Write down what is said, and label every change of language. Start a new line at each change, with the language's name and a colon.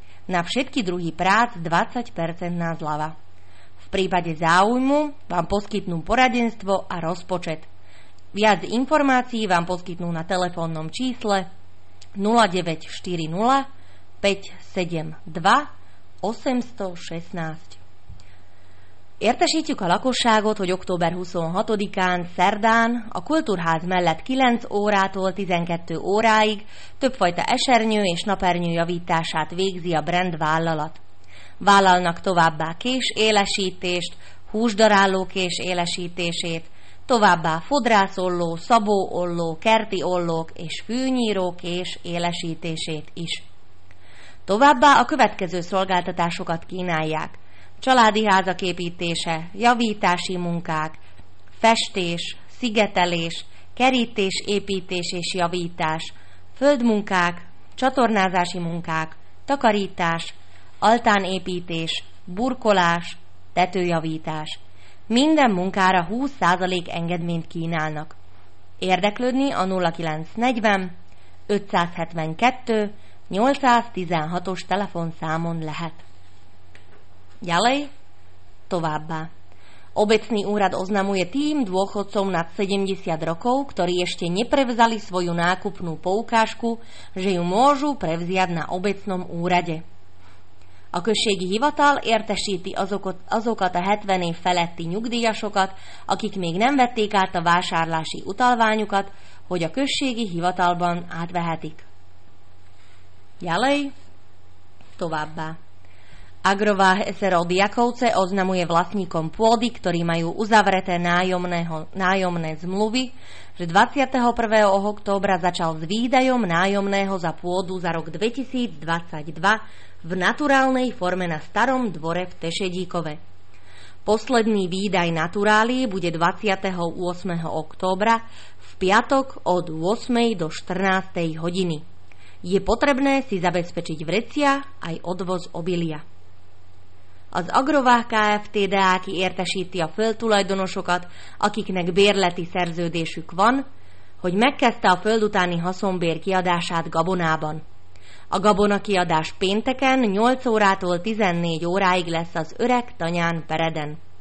Slovak: Na všetky druhy prác 20% zľava. V prípade záujmu vám poskytnú poradenstvo a rozpočet. Viac informácií vám poskytnú na telefónnom čísle 0940 572 816.
Hungarian: Értesítjük a lakosságot, hogy október 26-án, szerdán, a kultúrház mellett 9 órától 12 óráig többfajta esernyő és napernyő javítását végzi a Brand vállalat. Vállalnak továbbá kés élesítést, húsdaráló kés élesítését, továbbá fodrászolló, szabóolló, kerti ollók és fűnyírók és élesítését is. Továbbá a következő szolgáltatásokat kínálják. Családi házak építése, javítási munkák, festés, szigetelés, kerítés, építés és javítás, földmunkák, csatornázási munkák, takarítás, altánépítés, burkolás, tetőjavítás. Minden munkára 20% engedményt kínálnak. Érdeklődni a 0940 572 816-os telefonszámon lehet.
Slovak: Ďalej,
Hungarian: továbbá.
Slovak: Obecný úrad oznamuje tým dôchodcom nad 70 rokov, ktorí ešte neprevzali svoju nákupnú poukážku, že ju môžu prevziať na obecnom úrade.
Hungarian: A községi hivatal értesíti azokat a 70 év feletti nyugdíjasokat, akik még nem vették át a vásárlási utalványukat, hogy a községi hivatalban átvehetik.
Slovak: Jalej,
Hungarian: továbbá.
Slovak: Agrová SRO Diakovce oznamuje vlastníkom pôdy, ktorí majú uzavreté nájomné zmluvy, že 21. októbra začal s výdajom nájomného za pôdu za rok 2022 v naturálnej forme na starom dvore v Tešedíkove. Posledný výdaj naturálii bude 28. októbra v piatok od 8. do 14. hodiny. Je potrebné si zabezpečiť vrecia aj odvoz obilia.
Hungarian: Az Agrovák Kft. Deáki értesíti a földtulajdonosokat, akiknek bérleti szerződésük van, hogy megkezdte a földutáni haszonbér kiadását gabonában. A gabona kiadás pénteken 8 órától 14 óráig lesz az öreg tanyán Pereden.